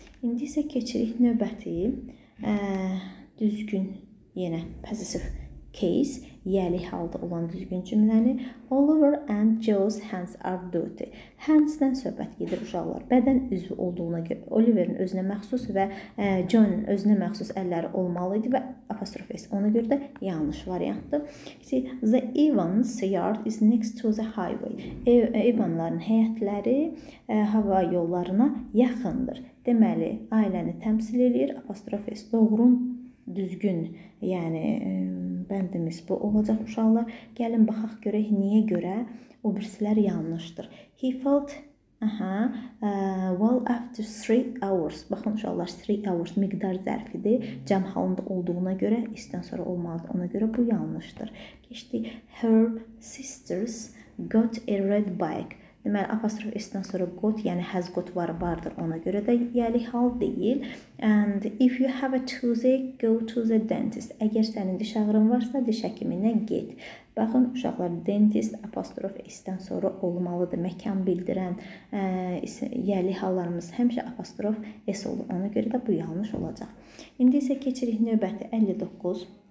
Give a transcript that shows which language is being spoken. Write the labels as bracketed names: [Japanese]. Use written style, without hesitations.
[Azerbaijani] İndi isə keçirik növbəti düzgün, yenə possessive case, yəli halda olan düzgün cümləni. [English] Oliver and Joe's hands are dirty. [Azerbaijani] Hands-dən söhbət gedir uşaqlar. Bədən üzvü olduğuna görə Oliver'in özünə məxsus və John özünə məxsus əlləri olmalı idi və apostrof S. Ona görə də yanlış variantdır. [English] The Evans yard is next to the highway. [Azerbaijani] Evanların həyətləri hava yollarına yaxındır. Deməli, ailəni təmsil edir. Apostrof S. Doğrun düzgün, yəni bəndimiz bu olacaq uşaqlar. Gəlin baxaq görək niyə görə o birisilər yanlışdır. [English] He felt well after 3 hours. [Azerbaijani] Baxın uşaqlar, 3 hours miqdar zərfidir. Cəm halında olduğuna görə istən sonra olmalıdır. Ona görə bu yanlışdır. Keçdi. [English] Her sisters got a red bike. [Azerbaijani] Deməli, apostrof S-dən sonra got, yəni has got var, vardır. Ona görə də yəli hal deyil. [English] And if you have a toothache, go to the dentist. [Azerbaijani] Əgər sənin diş ağrın varsa, diş həkiminə get. Baxın, uşaqlar, dentist apostrof S-dən sonra olmalıdır. Məkan bildirən yəli hallarımız həmişə apostrof S olur. Ona görə də bu yanlış olacaq. İndi isə keçirik növbəti 59.